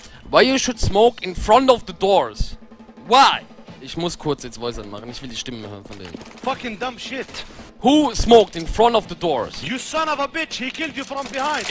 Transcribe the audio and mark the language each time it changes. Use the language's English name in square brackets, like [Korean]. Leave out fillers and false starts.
[English] Why you should smoke in front of the doors? Why? [German] Ich muss kurz jetzt Voice anmachen, ich will die Stimmen hören von denen. [English] Fucking dumb shit. Who smoked in front of the doors? You son of a bitch, he killed you from behind.